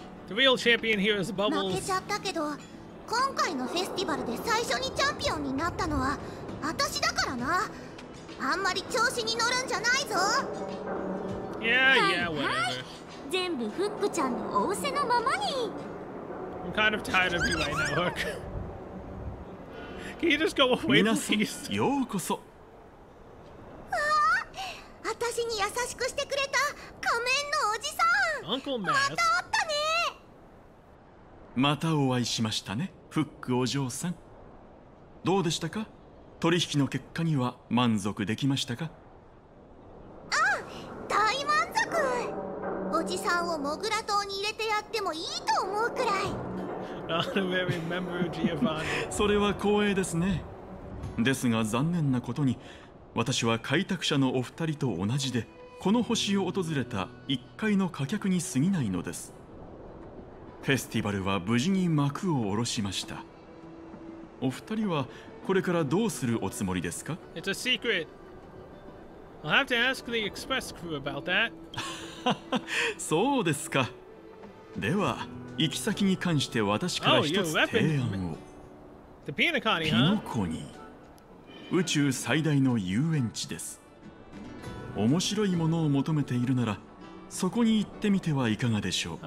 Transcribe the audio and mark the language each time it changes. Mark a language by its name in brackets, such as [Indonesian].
[English] The real champion here is Bubbles. [Japanese] 負けちゃったけど、今回のフェスティバルで最初にチャンピオンになったのは私だからな。あんまり調子に乗るんじゃないぞ。 [English] Yeah, whatever. [Japanese] 全部フックちゃんの仰せのままに。 [English] I'm kind of tired of you right now, Hook. Can you just go away, please? [Japanese] 皆さん、ようこそ。私に優しくしてくれた仮面のおじさん、 [English] Uncle [Japanese] Mass. また会ったね。またお会いしましたね、フックお嬢さん。どうでしたか？取引の結果には満足できましたか？うん、大満足。おじさんをモグラ島に入れてやってもいいと思うくらい。 [English] Honorary member Giovanni. [Japanese] それは光栄ですね。ですが残念なことに、私は開拓者のお二人と同じで、この星を訪れた一回の貨客に過ぎないのです。フェスティバルは無事に幕を下ろしました。お二人はこれからどうするおつもりですか？ [English] It's a secret. I'll have to ask the express crew about that. [Japanese] そうですか。では、行き先に関して私から一つ提案を。 [English] The Pinacony, [Japanese] huh? ピノコニー。宇宙最大の遊園地です。面白いものを求めているならそこに行ってみてはいかがでしょう。